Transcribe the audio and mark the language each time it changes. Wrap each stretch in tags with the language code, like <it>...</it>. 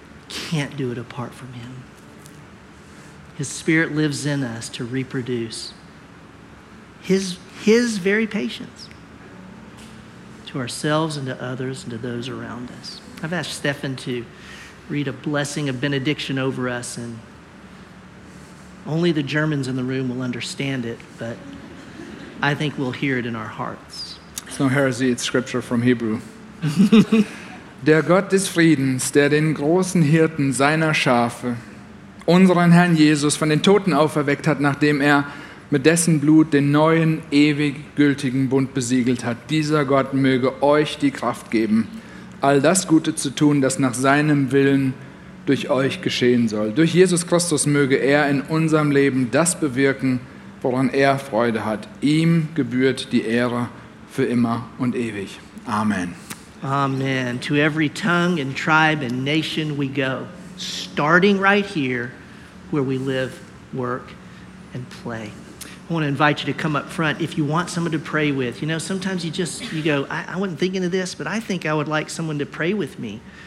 <en>Can't do it apart from Him. His Spirit lives in us to reproduce His very patience to ourselves and to others and to those around us. I've asked Stefan to read a blessing, a benediction over us, and only the Germans in the room will understand it, but I think we'll hear it in our hearts. It's no heresy, it's scripture from Hebrew.</en> <de>Der Gott des Friedens, der den großen Hirten seiner Schafe, unseren Herrn Jesus von den Toten auferweckt hat, nachdem er mit dessen Blut den neuen, ewig gültigen Bund besiegelt hat. Dieser Gott möge euch die Kraft geben, all das Gute zu tun, das nach seinem Willen durch euch geschehen soll. Durch Jesus Christus möge er in unserem Leben das bewirken, woran er Freude hat. Ihm gebührt die Ehre für immer und ewig. Amen. Amen.</de> <en>To every tongue and tribe and nation we go, starting right here where we live, work, and play. I want to invite you to come up front if you want someone to pray with. You know, sometimes you go, I wasn't thinking of this, but I think I would like someone to pray with me.</en>